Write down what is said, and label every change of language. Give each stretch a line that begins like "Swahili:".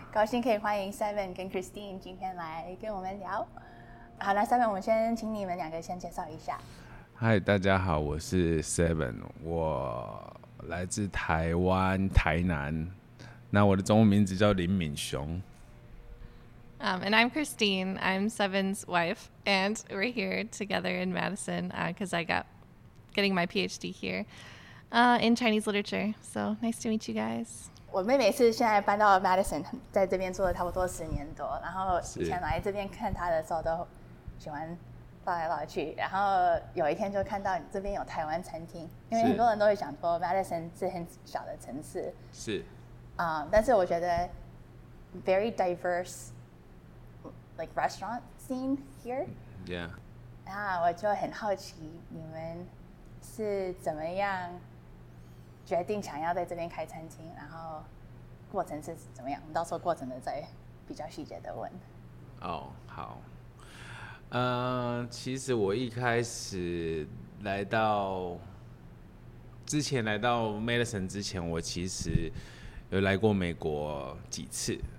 Chinese: 高兴可以欢迎 Seven 跟 Christine 今天来跟我们聊。好，那 Seven， 我们先请你们两个先介绍一下。嗨，大家好，我是 Seven， 我来自台湾台南，那我的中文名字叫林敏雄。
English: And I'm Christine. I'm Seven's wife, and we're here together in Madison because I got getting my PhD here in Chinese literature. So nice to meet you guys.
Chinese: 我妹妹是现在搬到 Madison， 在这边住了差不多十年多。然后以前来这边看她的时候，都喜欢抱来抱去。然后有一天就看到这边有台湾餐厅，因为很多人都会想说 Madison 是很小的城市，是啊，但是我觉得
English: very diverse。 Like restaurant scene here? Yeah.
Chinese: 我就很好奇你们是怎么样决定想要在这边开餐厅，然后过程是怎么样？我们到时候过程的再比较细节的问。哦，好。其实我一开始来到之前来到 Madison 之前，我其实有来过美国几次。